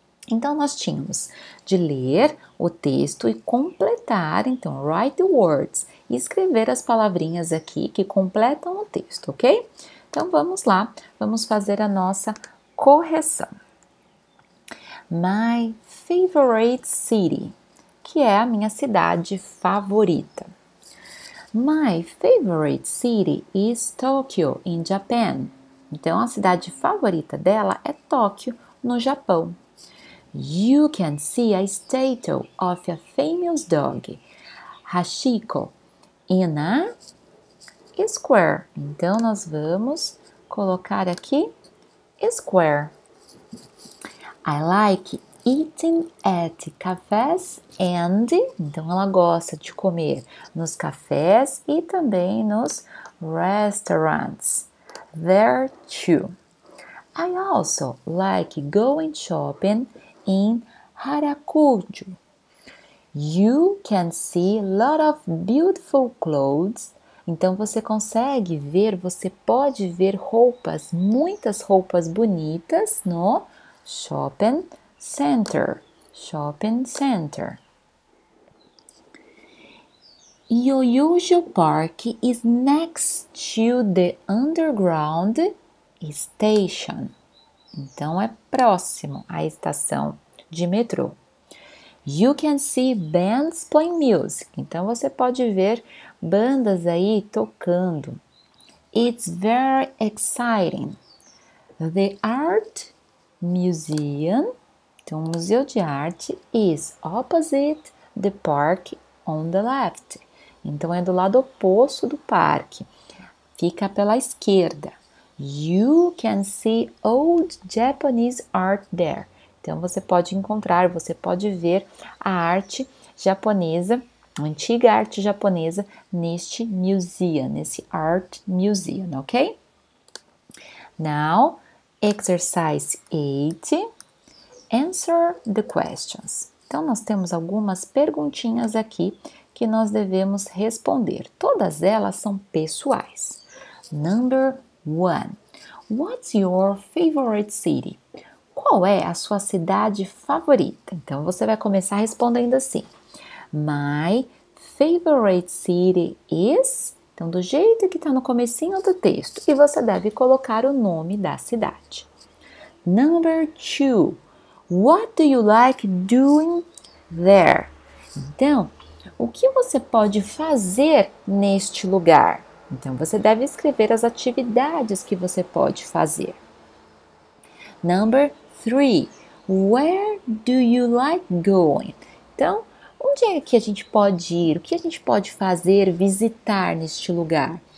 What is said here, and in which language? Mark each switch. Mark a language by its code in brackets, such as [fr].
[pt] Então, nós tínhamos de ler o texto e completar, então, [en] write the words, [pt] e escrever as palavrinhas aqui que completam o texto, ok? Então, vamos lá, vamos fazer a nossa correção. [en] My favorite city, [pt] que é a minha cidade favorita. [en] My favorite city is Tokyo, in Japan. [pt] Então, a cidade favorita dela é Tóquio, no Japão. [en] You can see a statue of a famous dog, Hachiko, in a square. [pt] Então, nós vamos colocar aqui square. [en] I like eating at cafes and. [pt] Então, ela gosta de comer nos cafés e também nos restaurants. [en] There too. I also like going shopping in Harajuku. You can see a lot of beautiful clothes. [pt] Então, você consegue ver, você pode ver roupas, muitas roupas bonitas no shopping center. Shopping center. [en] Yoyogyo Park is next to the underground station. [pt] Então, é próximo à estação de metrô. [en] You can see bands playing music. [pt] Então, você pode ver bandas aí tocando. [en] It's very exciting. The art museum, [pt] então, o museu de arte, [en] is opposite the park on the left. [pt] Então, é do lado oposto do parque. Fica pela esquerda. [en] You can see old Japanese art there. [pt] Então, você pode encontrar, você pode ver a arte japonesa, a antiga arte japonesa, neste museum, nesse art museum, ok? [en] Now, exercise 8. Answer the questions. [pt] Então, nós temos algumas perguntinhas aqui que nós devemos responder. Todas elas são pessoais. [en] Number 1. What's your favorite city? [pt] Qual é a sua cidade favorita? Então você vai começar respondendo assim: [en] My favorite city is. [pt] Então, do jeito que está no comecinho do texto, e você deve colocar o nome da cidade. [en] Number 2. What do you like doing there? [pt] Então, o que você pode fazer neste lugar? Então, você deve escrever as atividades que você pode fazer. [en] Number 3. Where do you like going? [pt] Então, onde é que a gente pode ir? O que a gente pode fazer, visitar neste lugar?